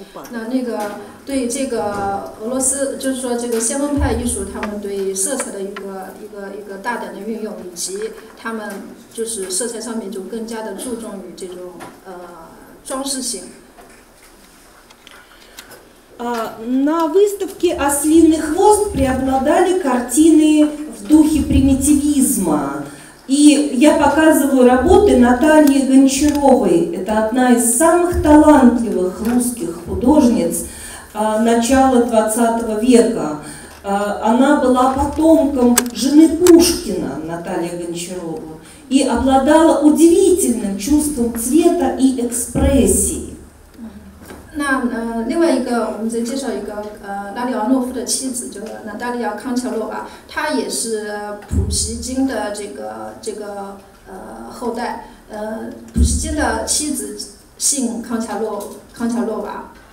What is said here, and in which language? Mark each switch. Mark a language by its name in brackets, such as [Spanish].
[Chinese] 那个对这个俄罗斯，就是说这个先锋派艺术，他们对色彩的一个大胆的运用，以及他们就是色彩上面就更加的注重于这种装饰性。 [Russian] На выставке «Ослиный хвост» преобладали картины в духе примитивизма. И я показываю работы Натальи Гончаровой. Это одна из самых талантливых русских художниц начала 20 века. Она была потомком жены Пушкина, Наталья Гончарова, и обладала удивительным чувством цвета и экспрессии. [Chinese] 那另外一个，我们再介绍一个拉里奥诺夫的妻子，就是娜达利亚康乔洛娃，她也是普希金的这个后代。普希金的妻子姓康乔洛娃。